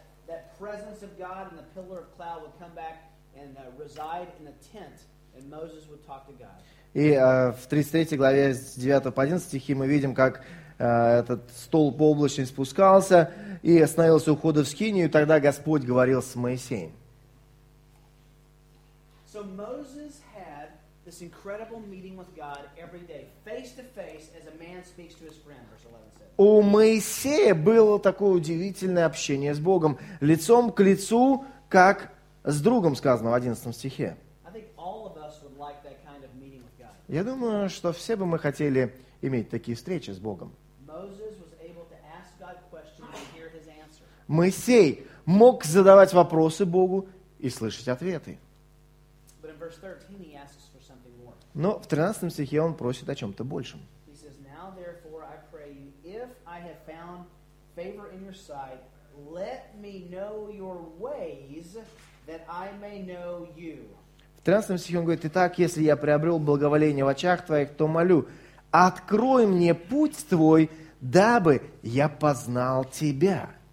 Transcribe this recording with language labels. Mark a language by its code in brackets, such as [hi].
[en] That presence of God in the pillar of cloud would come back and reside in a tent, and Moses would talk to God. [ru] И в 33 главе с 9 по 11 стихи мы видим, как этот столб облачный спускался и остановился у входа в скинию, и тогда Господь говорил с Моисеем. [en] So Moses had this incredible meeting with God every day, face to face, as a man speaks to his friend. Verse 11 says. [ru] У Моисея было такое удивительное общение с Богом лицом к лицу, как с другом, сказано в 11 стихе. [en] I think all of us would like that kind of meeting with God. [ru] Я думаю, что все бы мы хотели иметь такие встречи с Богом. [en] Moses was able to ask God questions and hear his answer. [ru] Моисей мог задавать вопросы Богу и слышать ответы. [en] But in verse 13 he asks for something more. [ru] Но в 13 стихе он просит о чем-то большем. [en] He says, now therefore I pray you, if I have found favor in your sight, let me know your ways, that I may know you. [ru] В 13 стихе он говорит, итак, если я приобрел благоволение в очах твоих, то молю, открой мне путь твой, дабы я познал тебя.